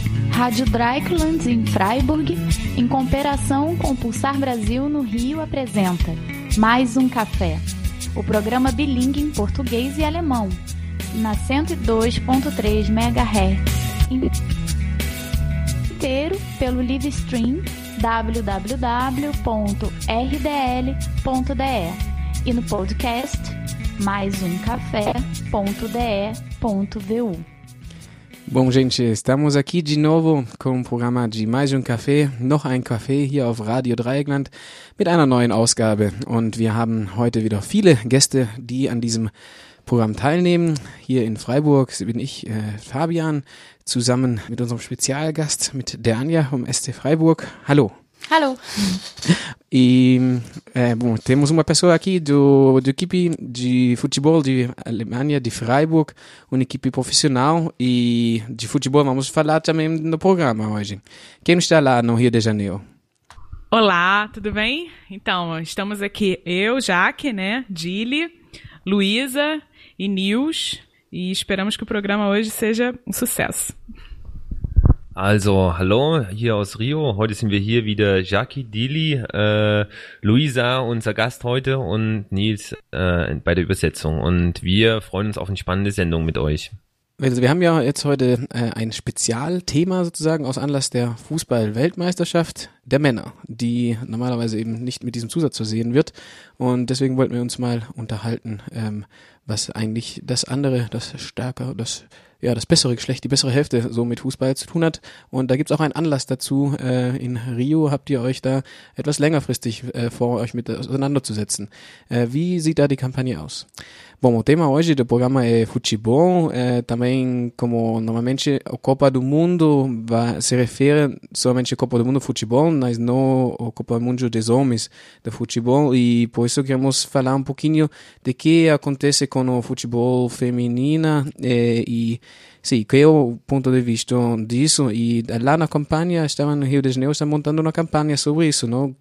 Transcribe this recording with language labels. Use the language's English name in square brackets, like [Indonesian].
[Portuguese] Rádio Dreieckland em Freiburg, em cooperação com o Pulsar Brasil no Rio, apresenta Mais um Café, o programa bilíngue em português e alemão, na 102.3 MHz, inteiro pelo live stream www.rdl.de e no podcast maisumcafé.de.vu. Bom, gente, estamos aqui de novo com o programa de Mais um Café, [German] noch ein Café hier auf Radio Dreieckland mit einer neuen Ausgabe. Und wir haben heute wieder viele Gäste, die an diesem Programm teilnehmen. Hier in Freiburg bin ich, Fabian, zusammen mit unserem Spezialgast, mit der Anja vom SC Freiburg. Hallo. Hallo. [Portuguese] E, bom, temos uma pessoa aqui do equipe de futebol de Alemanha, de Freiburg, uma equipe profissional e de futebol vamos falar também no programa hoje. Quem está lá no Rio de Janeiro? Olá, tudo bem? Então, estamos aqui eu, Jaque, né, Dili, Luísa e Nils e esperamos que o programa hoje seja um sucesso. [German] Also, hallo hier aus Rio. Heute sind wir hier wieder Jackie, Dili, Luisa, unser Gast heute und Nils bei der Übersetzung. Und wir freuen uns auf eine spannende Sendung mit euch. Also, wir haben ja jetzt heute ein Spezialthema sozusagen aus Anlass der Fußball-Weltmeisterschaft der Männer, die normalerweise eben nicht mit diesem Zusatz zu sehen wird. Und deswegen wollten wir uns mal unterhalten, was eigentlich das andere, das stärkere, das ja, das bessere Geschlecht, die bessere Hälfte so mit Fußball zu tun hat. Und da gibt's auch einen Anlass dazu. In Rio habt ihr euch da etwas längerfristig vor, euch mit auseinanderzusetzen. Wie sieht da die Kampagne aus? [Portuguese] Bom, o tema hoje do programa é futebol, também como normalmente a Copa do Mundo vai se refere somente à Copa do Mundo futebol, mas não a Copa do Mundo dos homens do futebol, e por isso queremos falar um pouquinho de que acontece com o futebol feminino, e sim, qual é o ponto de vista disso, e lá na campanha, estava no Rio de Janeiro, está montando uma campanha sobre isso, não?